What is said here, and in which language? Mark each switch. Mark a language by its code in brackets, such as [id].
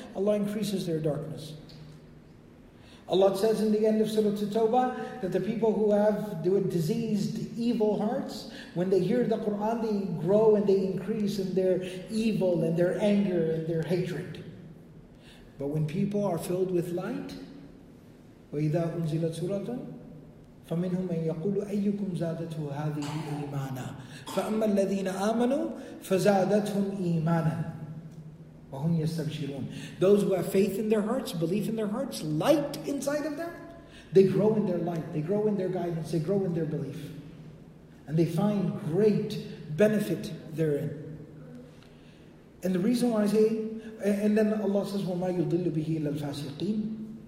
[en] Allah increases their darkness. Allah says in the end of Surah At-Tawbah that the people who have diseased, evil hearts, when they hear the Quran, they grow and they increase in their evil and their anger and their hatred. But when people are filled with light, [ar] وَإِذَا أُنزِلَتْ سُورَةٌ فَمِنْهُمْ مَنْ يَقُولُ أَيُّكُمْ زَادَتْهُ هَذِهِ إِيمَانًا فَأَمَّا الَّذِينَ آمَنُوا فَزَادَتْهُمْ إِيمَانًا وَهُمْ يَسْتَبْشِرُونَ. [en] Those who have faith in their hearts, belief in their hearts, light inside of them, they grow in their light, they grow in their guidance, they grow in their belief. And they find great benefit therein. And the reason why I say, and then Allah says, [ar] وَمَا يُضِلُّ بِهِ إِلَّا الْفَاسِقِينَ.